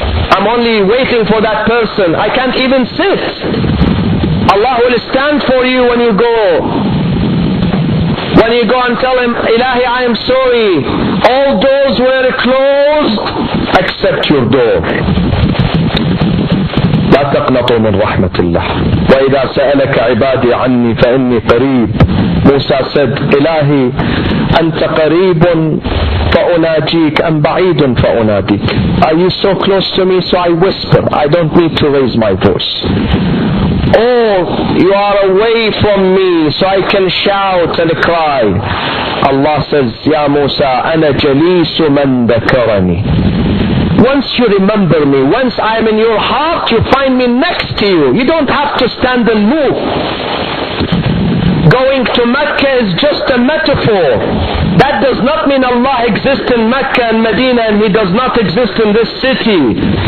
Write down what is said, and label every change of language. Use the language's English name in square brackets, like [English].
[English] I'm only waiting for that person. I can't even sit. Allah will stand for you when you go. When you go and tell him, Ilahi, I am sorry. All doors were closed except your door. [Arabic] لا تقنطوا من رحمة الله. وإذا سألك عبادي عني فإني قريب. موسى [English] said, [Arabic] إلهي أنت قريب فأناجيك أم بعيد فأناديك. [English] Are you so close to me so I whisper? I don't need to raise my voice. Oh, you are away from me so I can shout and cry. Allah says, [Arabic] يا موسى أنا جليس من ذكرني. [English] Once you remember me, once I am in your heart, you find me next to you. You don't have to stand and move. Going to Mecca is just a metaphor. That does not mean Allah exists in Mecca and Medina and He does not exist in this city.